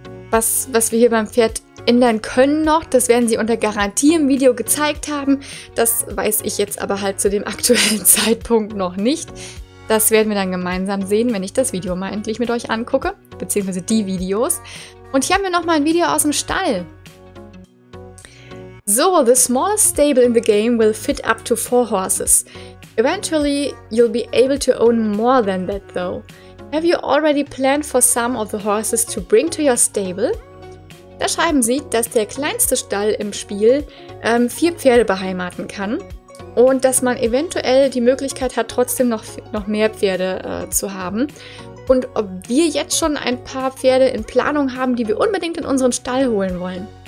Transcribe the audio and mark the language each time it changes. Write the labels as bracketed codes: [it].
[de] Was wir hier beim Pferd ändern können noch. Das werden sie unter Garantie im Video gezeigt haben. Das weiß ich jetzt aber halt zu dem aktuellen Zeitpunkt noch nicht. Das werden wir dann gemeinsam sehen, wenn ich das Video mal endlich mit euch angucke. Beziehungsweise die Videos. Und hier haben wir nochmal ein Video aus dem Stall. [en] So, the smallest stable in the game will fit up to 4 horses. Eventually you'll be able to own more than that though. Have you already planned for some of the horses to bring to your stable? [de] Da schreiben sie, dass der kleinste Stall im Spiel 4 Pferde beheimaten kann und dass man eventuell die Möglichkeit hat, trotzdem noch mehr Pferde zu haben. Und ob wir jetzt schon ein paar Pferde in Planung haben, die wir unbedingt in unseren Stall holen wollen.